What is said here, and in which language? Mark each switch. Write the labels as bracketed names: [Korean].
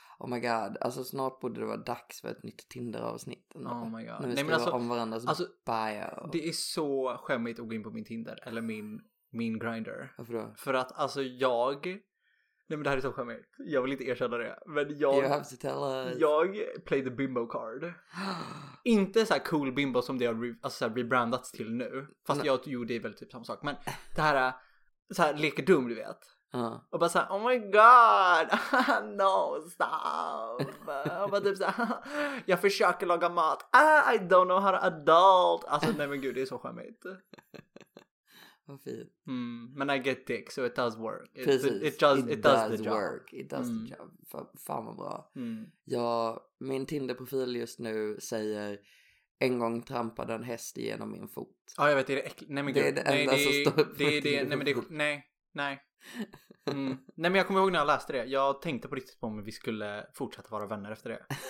[English] Oh my god, [Swedish] alltså snart borde det vara dags för ett nytt Tinder-avsnitt. [English] Oh my god. [Swedish] När vi skriver om varandras alltså, bio. Det är så skämmigt att gå in på min Tinder. Eller min Grindr. Varför då? För att alltså jag... Nej, men det här är så skämt. Jag vill inte erkänna det. Men jag... [English] You have to tell us. [Swedish] Jag [English] played the bimbo card. [Swedish] Inte så här cool bimbo som det har rebrandats till nu. Fast jag gjorde väl typ samma sak. Men det här är så här leker dum, du vet. Och bara så här, [English] oh my god. No, stop. [Swedish] Och bara typ så här, jag försöker laga mat. [English] I don't know how to adult. [Swedish] Alltså, nej men gud, det är så skämt. Vad fint. Men [English] I get dick, so it does work. It does the job. [Swedish] Fan vad bra. Mm. Ja, min Tinder-profil just nu säger, en gång trampade en häst igenom min fot. Ja, jag vet, är det äckligt? Nej, men det är det enda som står på det. Nej. Nej, men jag kommer ihåg när jag läste det. Jag tänkte på riktigt på om vi skulle fortsätta vara vänner efter det.